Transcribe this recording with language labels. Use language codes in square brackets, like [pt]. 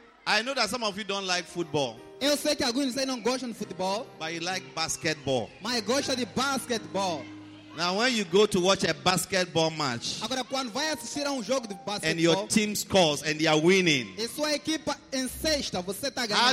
[en] I know that some of you don't like football. [pt] Eu sei que alguns não gostam de futebol. [en] But you like basketball. [pt] Mas gosta de basketball. [en] Now when you go to watch a basketball match. [pt] Agora quando vai assistir a jogo de basquetebol. [en] And your team scores and they are winning. [pt] E sua equipa em sexta, você tá ganhando.